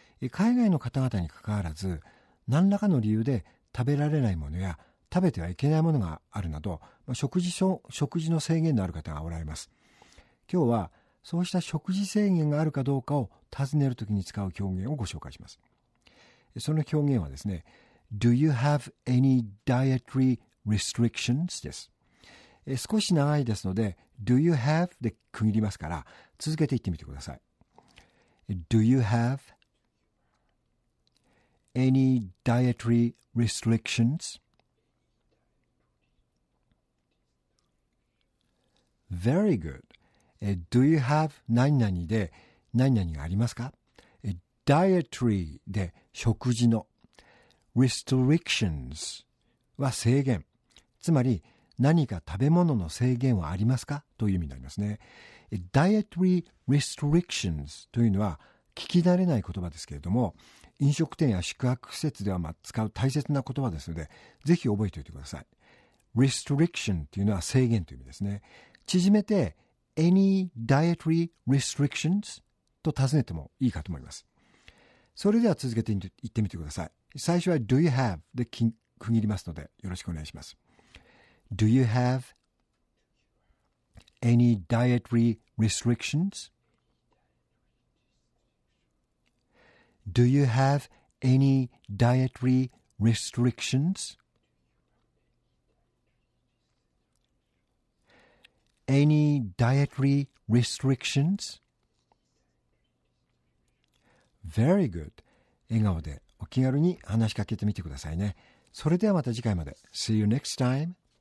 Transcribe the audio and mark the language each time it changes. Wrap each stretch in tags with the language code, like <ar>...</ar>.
<ja>海外の方々に関わらず、何らかの理由で食べられないものや食べてはいけないものがあるなど、食事の制限のある方がおられます。今日はそうした食事制限があるかどうかを尋ねるときに使う表現をご紹介します。その表現はですね、</ja> <en>Do you have any dietary restrictions?</en> <ja>です。少し長いですので、</ja> <en>Do you have?</en> <ja>で区切りますから、続けて言ってみてください。</ja> <en>Do you have any dietary restrictions? Very good. Do you have</en> <ja>何々で何々がありますか ?Dietary で食事の Restrictions は制限。つまり何か食べ物の制限はありますかという意味になりますね。 Dietary Restrictions というのは聞き慣れない言葉ですけれども、飲食店や宿泊施設では使う大切な言葉ですので、ぜひ覚えておいてください。 Restriction というのは制限という意味ですね。縮めて、</ja> <en>Any dietary restrictions?</en> <ja>と尋ねてもいいかと思います。それでは続けて言ってみてください。最初は</ja> <en>Do you have?</en> <ja>で区切りますのでよろしくお願いします。</ja> <en>Do you have any dietary restrictions? Do you have any dietary restrictions? Any dietary restrictions? Very good.</en> <ja>笑顔でお気軽に話しかけてみてくださいね。それではまた次回まで。</ja> <en>See you next time.</en>